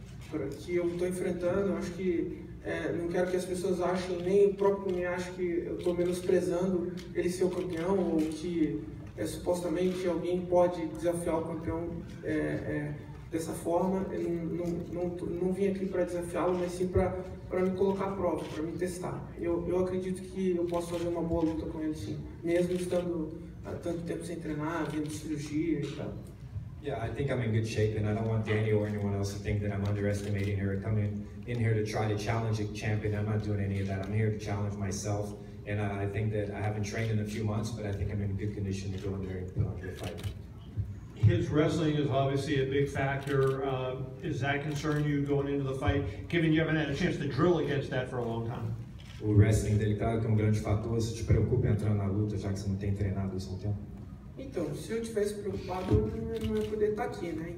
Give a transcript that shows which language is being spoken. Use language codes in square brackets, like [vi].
[pt] Que eu estou enfrentando. Eu acho que não quero que as pessoas achem, nem o próprio me ache que eu estou menosprezando ele ser o campeão, ou que supostamente alguém pode desafiar o campeão dessa forma. Eu não vim aqui para desafiá-lo, mas sim para me colocar à prova, para me testar. Eu acredito que eu posso fazer uma boa luta com ele, sim, mesmo estando tanto tempo sem treinar, vindo cirurgia e tal. [en] Yeah, I think I'm in good shape, and I don't want Danny or anyone else to think that I'm underestimating her. Coming in here to try to challenge a champion, I'm not doing any of that. I'm here to challenge myself, and I think that I haven't trained in a few months, but I think I'm in good condition to go in there and put on the fight. His wrestling is obviously a big factor. Is that concern you going into the fight, given you haven't had a chance to drill against that for a long time? [pt] O wrestling dele, claro, que é grande fator. Se te preocupa entrando na luta, já que você não tem treinado isso há tempo. Então, se eu tivesse preocupado, eu não ia poder estar aqui, né?